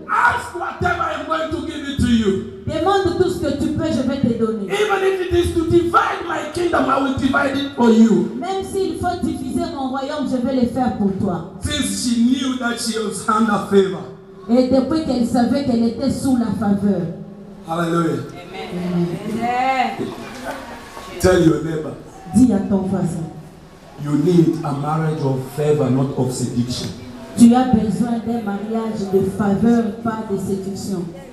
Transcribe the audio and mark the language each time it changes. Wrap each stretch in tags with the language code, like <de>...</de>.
<en>Ask whatever I'm going to give it to you.</en> <fr>Demande tout ce que tu peux, je vais te donner.</fr> <en>Even if it is to divide my kingdom, I will divide it for you.</en> <fr>Même s'il faut diviser mon royaume, je vais le faire pour toi.</fr> <en>Since she knew that she was under favor.</en> <fr>Et depuis qu'elle savait qu'elle était sous la faveur.</fr> <en>Hallelujah. Tell your neighbor.</en> <fr>Dis à ton voisin.</fr> <en>You need a marriage of favor, not of seduction.</en> <fr>Tu as besoin d'un mariage de faveur, pas de séduction.</fr>